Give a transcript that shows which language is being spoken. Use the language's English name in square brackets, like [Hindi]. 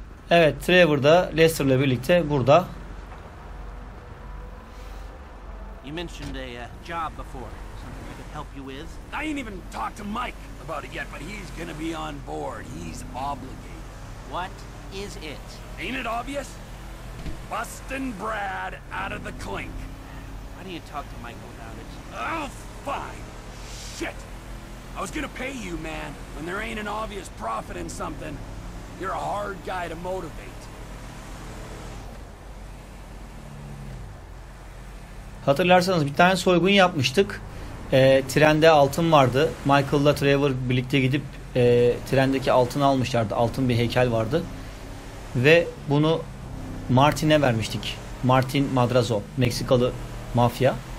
[Turkish] Evet, Trevor da Lester ile birlikte burada. [English] You mentioned a job before. Something I could help you with. I ain't even talked to Mike about it yet, but he's gonna be on board. He's obligated. What is it? Ain't it obvious? Bustin' Brad out of the clink. Why don't you talk to Michael about it? Oh, fine. Shit. I was gonna pay you, man. When there ain't an obvious profit in something, you're a hard guy to motivate. [Turkish] Hatırlarsanız bir tane soygun yapmıştık. Trende altın vardı. Michael'la Trevor birlikte gidip trendeki altını almışlardı. Altın bir heykel vardı. Ve bunu Martin'e vermiştik. Martin Madrazo, Meksikalı mafya.